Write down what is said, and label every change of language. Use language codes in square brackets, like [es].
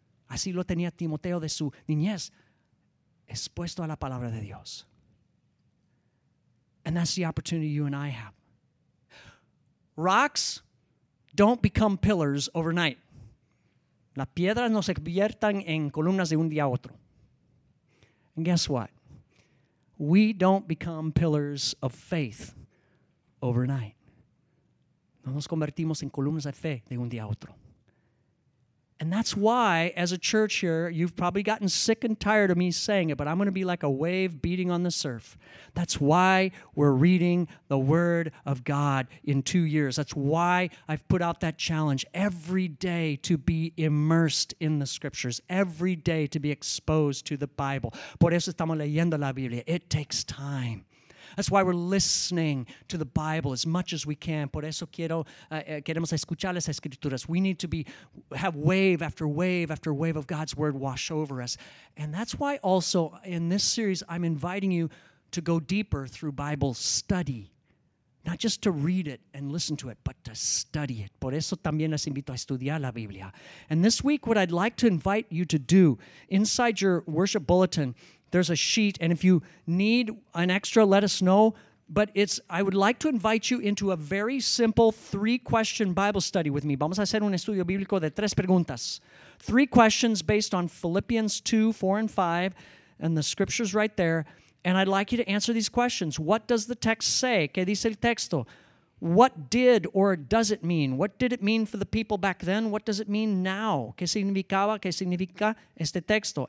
[es] Así lo tenía Timoteo de su niñez, expuesto a la palabra de Dios. [en] And that's the opportunity you and I have. Rocks don't become pillars overnight. [es] Las piedras no se convierten en columnas de un día a otro. [en] And guess what? We don't become pillars of faith overnight. [es] No nos convertimos en columnas de fe de un día a otro. [en] And that's why, as a church here, you've probably gotten sick and tired of me saying it, but I'm going to be like a wave beating on the surf. That's why we're reading the Word of God in 2 years. That's why I've put out that challenge every day to be immersed in the Scriptures, every day to be exposed to the Bible. [es] Por eso estamos leyendo la Biblia. [en] It takes time. That's why we're listening to the Bible as much as we can. [es] Por eso queremos escuchar las Escrituras. [en] We need to have wave after wave after wave of God's Word wash over us. And that's why also in this series I'm inviting you to go deeper through Bible study. Not just to read it and listen to it, but to study it. [es] Por eso también les invito a estudiar la Biblia. [en] And this week what I'd like to invite you to do, inside your worship bulletin, there's a sheet, and if you need an extra, let us know. But I would like to invite you into a very simple 3-question Bible study with me. [es] Vamos a hacer un estudio bíblico de 3 preguntas. [en] 3 questions based on Philippians 2, 4, and 5, and the Scriptures right there. And I'd like you to answer these questions. What does the text say? [es] ¿Qué dice el texto? [en] What did or does it mean? What did it mean for the people back then? What does it mean now? [es] ¿Qué significaba? ¿Qué significa este texto?